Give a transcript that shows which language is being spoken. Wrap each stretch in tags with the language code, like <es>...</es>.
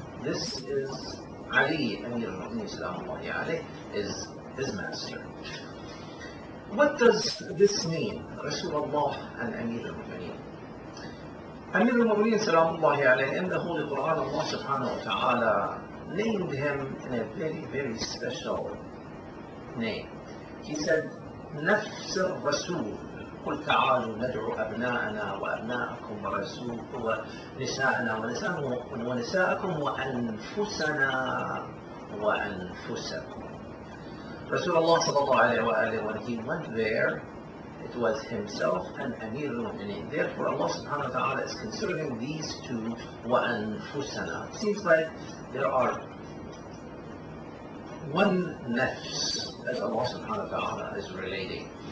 <en>This is Ali, Amir al-Mu'mineen salamullahi alayhi, is his master. What does this mean, Rasulullah and Amir al-Mu'mineen? Amir al-Mu'mineen salamullahi alayhi, in the Holy Quran, Allah subhanahu wa ta'ala named him in a very, very special name. He said,</en> <ar>نفس الرسول قل تعالوا ندعو أبناءنا وأبناءكم ورسول ونساءنا ونساءكم وأنفسنا وأنفسكم.</ar> <en>Rasulullah sallallahu alayhi wa alayhi, when he went there, it was himself and Amir al-Mu'mineen. Therefore, Allah subhanahu wa ta'ala is considering these two وأنفسنا. It seems like there are one nafs, as Allah subhanahu wa ta'ala is relating.</en>